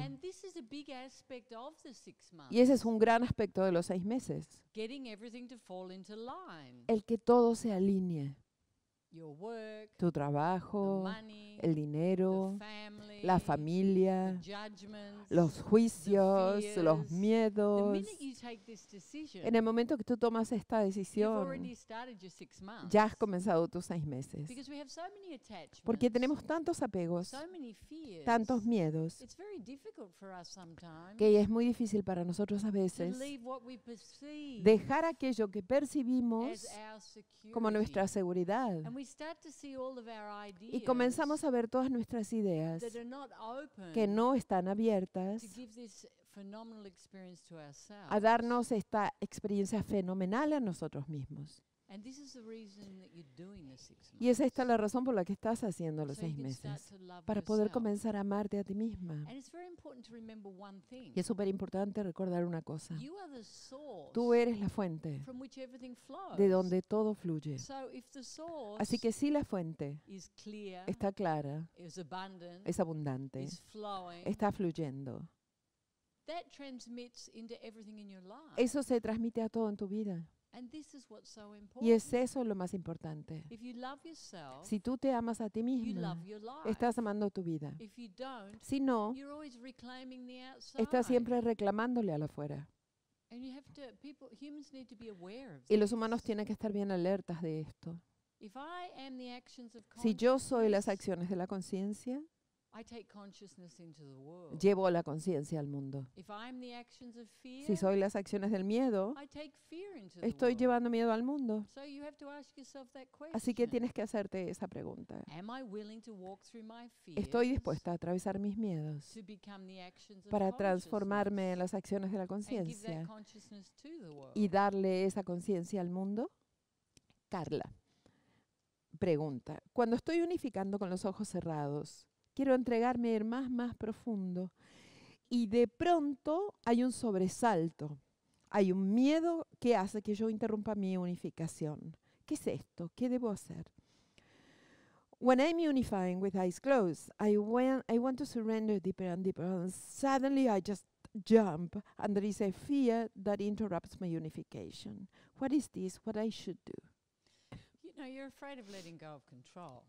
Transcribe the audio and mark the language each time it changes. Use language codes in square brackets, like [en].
[en] And this is a big aspect of the 6 months. [es] Y ese es un gran aspecto de los 6 meses. [en] Getting everything to fall into line. [es] El que todo se alinee. [en] Your work, [es] tu trabajo, [en] the money, [es] el dinero, [en] the family, [es] la familia, [en] the judgments, [es] los juicios, [en] the fears, [es] los miedos. [en] The minute you take this decision, [es] en el momento que tú tomas esta decisión, [en] you've already started your 6 months, [es] ya has comenzado tus 6 meses. [en] Because we have so many attachments, [es] porque tenemos tantos apegos, [en] so many fears, [es] tantos miedos, [en] it's very difficult for us sometimes, [es] que es muy difícil para nosotros a veces [en] to leave what we perceive, [es] dejar aquello que percibimos [en] as our security, [es] como nuestra seguridad. [en] And we start to see all of our ideas, [es] y comenzamos a ver todas nuestras ideas [en] that are not open, [es] que no están abiertas [en] to give this phenomenal experience to ourselves, [es] a darnos esta experiencia fenomenal a nosotros mismos. [en] And this is the reason that you're doing the 6 months. [es] Y esa es la razón por la que estás haciendo los [en] so [es] 6 meses. [en] You can start to love [es] para poder [en] yourself, [es] comenzar a amarte a ti misma. [en] And it's very important to remember one thing. [es] Y es súper importante recordar una cosa. [en] You are the source, [es] tú eres la fuente [en] from which everything flows, [es] de donde todo fluye. [en] So if the source, [es] así que si la fuente [en] is clear, [es] está clara, [en] is abundant, [es] es abundante, [en] is flowing, [es] está fluyendo, [en] that transmits into everything in your life. [es] Eso se transmite a todo en tu vida. [en] And this is what's so important. [es] Y es eso lo más importante. [en] If you love yourself, [es] si tú te amas a ti misma, [en] you love your life. [es] Estás amando tu vida. [en] If you don't, [es] si no, [en] you're always reclaiming the outside. [es] Estás siempre reclamándole al afuera. [en] And you have to, people, humans need to be aware of [es] y los humanos tienen que estar bien alertas de esto. [en] If I am the actions of [es] si yo soy las acciones de la conciencia, [en] I take consciousness into the world. [es] Llevo la conciencia al mundo. [en] If I'm the actions of fear, [es] si soy las acciones del miedo, [en] I take fear into the [es] estoy [en] world, [es] llevando miedo al mundo. [en] So you have to ask yourself that question. [es] Así que tienes que hacerte esa pregunta. [en] Am I willing to walk through my fears, [es] estoy dispuesta a atravesar mis miedos [en] to become the actions of [es] para transformarme en las acciones de la conciencia y darle esa conciencia al mundo? Carla pregunta, cuando estoy unificando con los ojos cerrados, quiero entregarme ir más profundo. Y de pronto hay un sobresalto. Hay un miedo que hace que yo interrumpa mi unificación. ¿Qué es esto? ¿Qué debo hacer? [en] When I'm unifying with eyes closed, I want to surrender deeper and deeper. And suddenly I just jump and there is a fear that interrupts my unification. What is this? What I should do? You know, you're afraid of letting go of control.